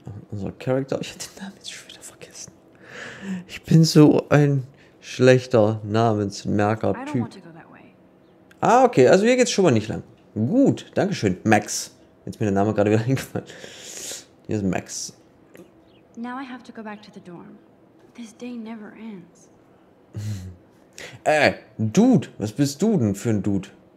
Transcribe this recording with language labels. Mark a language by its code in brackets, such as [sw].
[de] Unser Charakter, ich hätte den Namen jetzt schon wieder vergessen. Ich bin so ein schlechter Namensmerker-Typ. Ah, okay, also hier geht's schon mal nicht lang. Gut, danke schön, Max. Jetzt mir der Name gerade wieder eingefallen. Hier ist Max. [en] Now I have to go back to the dorm. This day never ends. [de] Dude, was bist du denn für ein Dude?